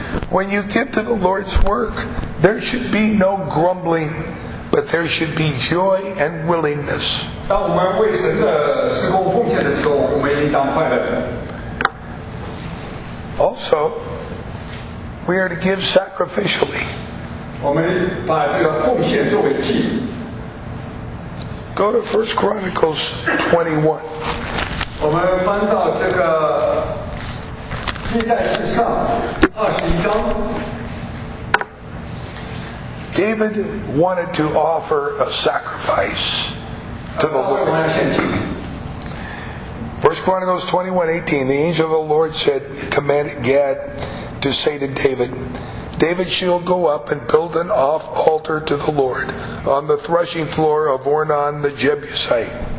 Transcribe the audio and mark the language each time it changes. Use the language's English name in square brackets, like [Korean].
[English] When you give to the Lord's work, there should be no grumbling, but there should be joy and willingness. [Chinese] 当我们为神的事工奉献的时候，我们应当快乐。 [English] Also, we are to give sacrificially. [Chinese] 我们把这个奉献作为祭。 [English] Go to 1 Chronicles 21. [Chinese] 我们翻到这个历代志上21章。 [English] David wanted to offer a sacrifice to the Lord. 1 Chronicles 21:18. The angel of the Lord said, commanded Gad to say to David, David shall go up and build an off altar to the Lord on the threshing floor of Ornan the Jebusite.